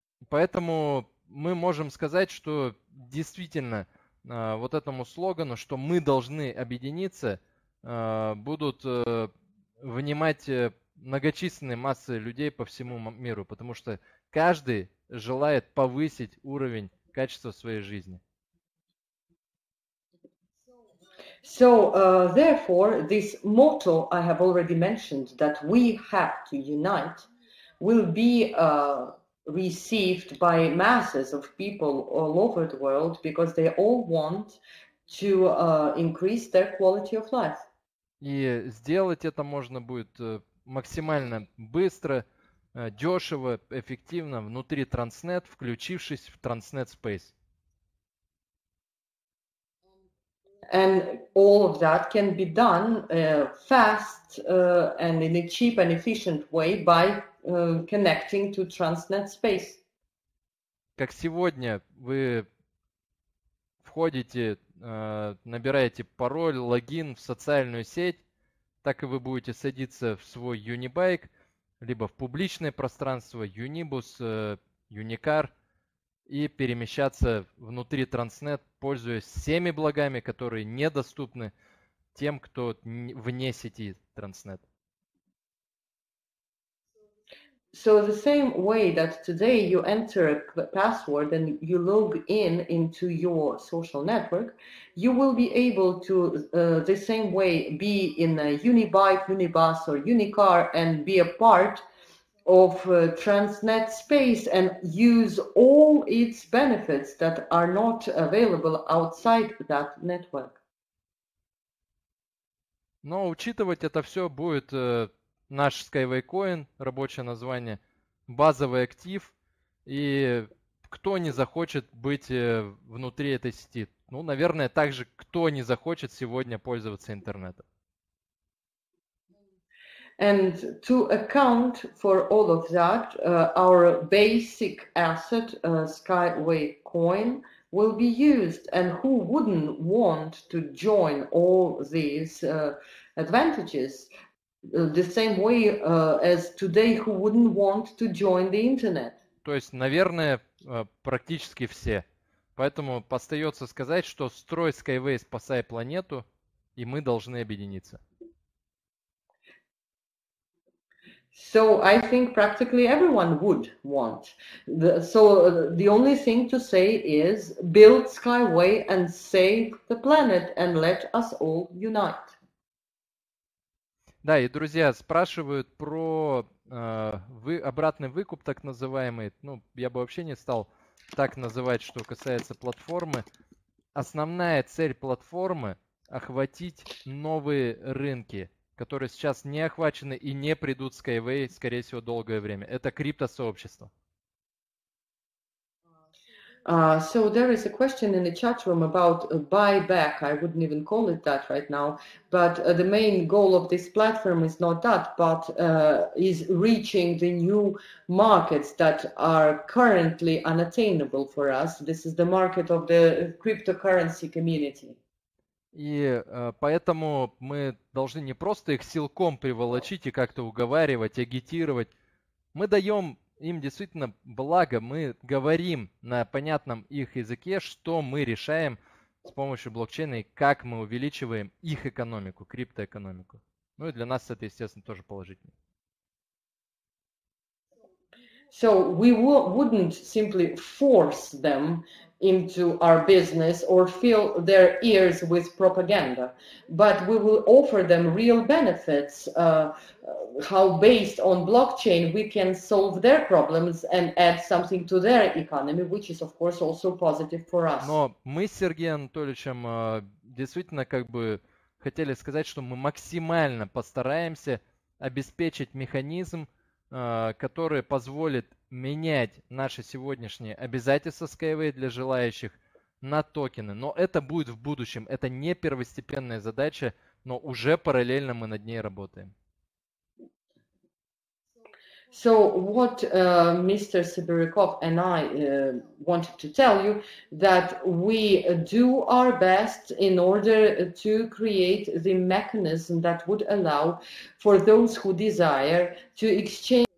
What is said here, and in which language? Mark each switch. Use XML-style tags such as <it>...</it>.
<ru>Поэтому мы можем сказать, что действительно вот этому слогану, что мы должны объединиться, будут внимать многочисленной массы людей по всему миру, потому что каждый желает повысить уровень качества своей жизни.</ru> <en>So, therefore, this motto I have already mentioned, that we have to unite, will be received by masses of people all over the world, because they all want to increase their quality of life.</en> <ru>И сделать это можно будет максимально быстро, дешево, эффективно внутри Transnet, включившись в Transnet Space.</ru> <en>And all of that can be done fast and in a cheap and efficient way by connecting to Transnet Space.</en> <ru>Как сегодня вы входите, набираете пароль, логин в социальную сеть, так и вы будете садиться в свой Unibike, либо в публичное пространство, Unibus, Unicar, и перемещаться внутри Transnet, пользуясь всеми благами, которые недоступны тем, кто вне сети Transnet.</ru> <en>So the same way that today you enter a password and you log in into your social network, you will be able to the same way be in a Unibike, Unibus or Unicar and be a part of Transnet space and use all its benefits that are not available outside that network.</en> <ru>Но учитывать это все будет наш Skyway Coin, рабочее название, базовый актив, и кто не захочет быть внутри этой сети? Ну, наверное, также кто не захочет сегодня пользоваться интернетом.</ru> <en>And to account for all of that, our basic asset, Skyway Coin, will be used. And who wouldn't want to join all these advantages? The same way as today, who wouldn't want to join the internet?</en> <ru>То есть, наверное, практически все. Поэтому остается сказать, что строй Skyway, спасай планету, и мы должны объединиться.</ru> <en>So I think practically everyone would want. So the only thing to say is build Skyway and save the planet and let us all unite.</en> <ru>Да, и друзья спрашивают про обратный выкуп, так называемый. Ну, я бы вообще не стал так называть, что касается платформы. Основная цель платформы – охватить новые рынки, которые сейчас не охвачены и не придут в Skyway, скорее всего, долгое время. Это криптосообщество.</ru> <en>So there is a question in the chat room about a buyback. I wouldn't even call it that right now. But the main goal of this platform is not that, but is reaching the new markets that are currently unattainable for us. This is the market of the cryptocurrency community.</en> <ru>И поэтому мы должны не просто их силком приволочить и как-то уговаривать, агитировать. Мы даем им действительно благо, мы говорим на понятном их языке, что мы решаем с помощью блокчейна и как мы увеличиваем их экономику, криптоэкономику. Ну и для нас это, естественно, тоже положительно.</ru> <en>So we wouldn't simply force them into our business or fill their ears with propaganda, but we will offer them real benefits, how based on blockchain we can solve their problems and add something to their economy, which is of course also positive for us.</en> <ru>Но мы с Сергеем Анатольевичем действительно как бы хотели сказать, что мы максимально постараемся обеспечить механизм, который позволит менять наши сегодняшние обязательства Skyway для желающих на токены. Но это будет в будущем. Это не первостепенная задача, но уже параллельно мы над ней работаем.</ru> <en>So what Mr. Sibirikov and I wanted to tell you that we do our best in order to create the mechanism that would allow for those who desire to exchange</en>